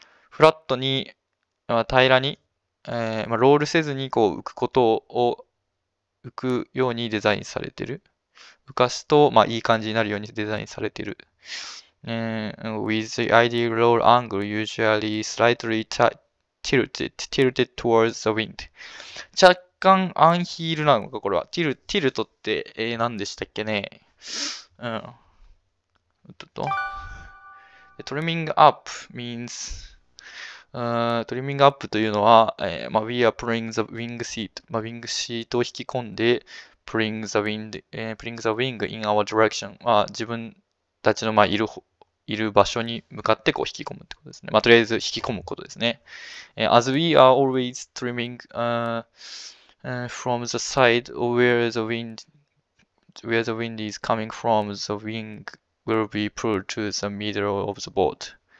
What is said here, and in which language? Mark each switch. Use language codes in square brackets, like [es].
[ja] フラットに、まあ、平らに、まあ、ロールせずにこう浮くことを浮くようにデザインされてる。浮かすと、まあ、いい感じになるようにデザインされてる。 [en] With the ideal roll angle usually slightly tilted towards the wind. [ja] 若干アンヒールなのか、これは。ティルトって、何でしたっけね。 [en] トリミングアップ means、 [ja] トリミングアップというのは、まあ、 [en] we are pulling the wing seat。 [ja] まあ、ウィングシートを引き込んで、 [en] pulling the wing in our direction。 [ja] まあ、自分たちの、まあ、いる場所に向かってこう引き込むってことですね。まあ、とりあえず引き込むことですね。 [en] As we are always trimming, from the side where the wind is coming from, the wing will be pulled to the middle of the boat.